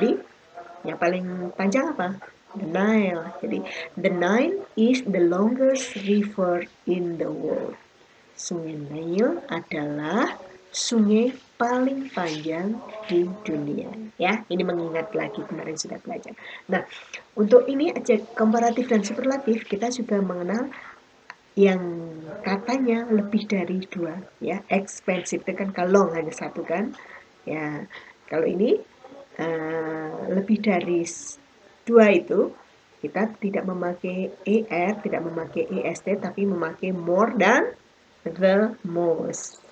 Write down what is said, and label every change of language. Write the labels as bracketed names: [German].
[Indonesian] Jadi, yang paling panjang apa? [English] The Nile. Jadi, the Nile is the longest river in the world. [Indonesian] Sungai Nil adalah sungai paling panjang di dunia. Ya, ini mengingat lagi kemarin sudah belajar. Nah, untuk ini aja komparatif dan superlatif, kita juga mengenal yang katanya lebih dari dua, ya, expensive itu kan kalau hanya satu kan, ya, kalau ini lebih dari dua itu kita tidak memakai er, tidak memakai est, tapi memakai more dan the most.